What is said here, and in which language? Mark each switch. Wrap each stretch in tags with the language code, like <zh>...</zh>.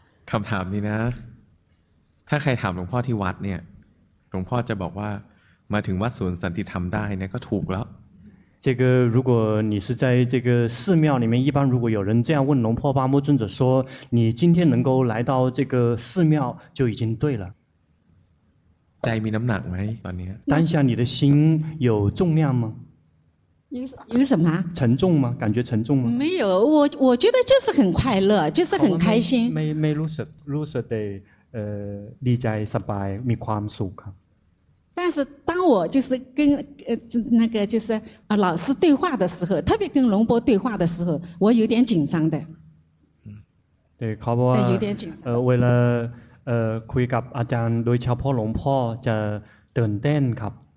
<th>คำถามนี้นะถ้าใครถามหลวงพ่อที่วัดเนี่ยหลวงพ่อจะบอกว่ามาถึงวัดสวนสันติธรรมได้เนี่ยก็ถูกแล้ว</th> <zh>这个如果你是在这个寺庙里面一般如果有人这样问龙婆巴木尊者说你今天能够来到这个寺庙就已经对了</zh> <th>ใจมีน้ำหนักไหมตอนนี้</th> <zh>当下你的心有重量吗有什么沉重吗感觉沉重吗没有我觉得就是很快乐就是很开心</zh> <th>没รู้สึกรู้สึกได้ดีใจสบายมีความสุขครับ 但是当我就是跟那个就是老师对话的时候特别跟龙波对话的时候我有点紧张的对เขาบอกว่าเวลาคุยกับอาจารย์โดยเฉพาะหลวงพ่อจะตื่นเต้นครับ</th>